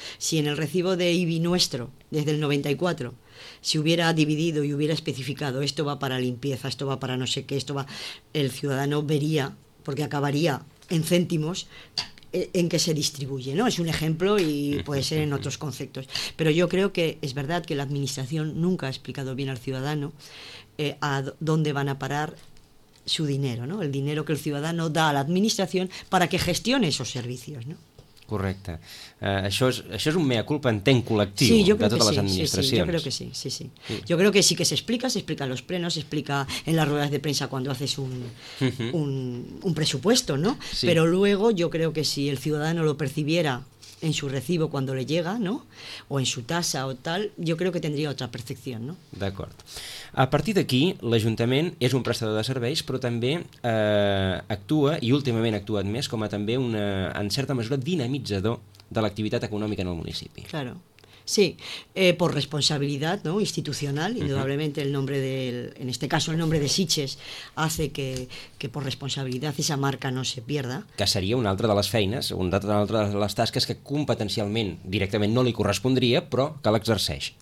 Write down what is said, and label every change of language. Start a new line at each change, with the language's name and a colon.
Spanish: Si en el recibo de IBI nuestro, desde el 94, si hubiera dividido y hubiera especificado esto va para limpieza, esto va para no sé qué, esto va, el ciudadano vería, porque acabaría en céntimos, en qué se distribuye, ¿no? Es un ejemplo y puede ser en otros conceptos. Pero yo creo que es verdad que la administración nunca ha explicado bien al ciudadano a dónde van a parar su dinero, ¿no? El dinero que el ciudadano da a la administración para que gestione esos servicios, ¿no?
Catalan: Correcte. Això és un mea culpa, entenc, col·lectiu, sí, de totes les administracions. Sí, jo crec que sí, sí, sí. Jo crec que sí que s'explica, s'explica
Spanish: en los plenos,
Catalan: s'explica
Spanish: en las ruedas de prensa cuando haces un presupuesto, ¿no? Sí. Pero luego yo creo que si el ciudadano lo percibiera en su recibo cuando le llega, ¿no? O en su tasa o tal, yo creo que tendría otra percepción, ¿no?
Catalan: D'acord. A partir d'aquí, l'Ajuntament és un prestador de serveis, però també actua, i últimament ha actuat més, com a també una, en certa mesura, dinamitzador de l'activitat econòmica en el municipi.
Spanish: Claro. Sí, por responsabilidad, ¿no? Institucional, indudablemente el nombre del, en este caso el nombre de Sitges hace que por responsabilidad esa marca no se pierda.
Catalan: Que seria una altra de les feines, una altra de les tasques que competencialment directament no li correspondria, però que l'exerceix.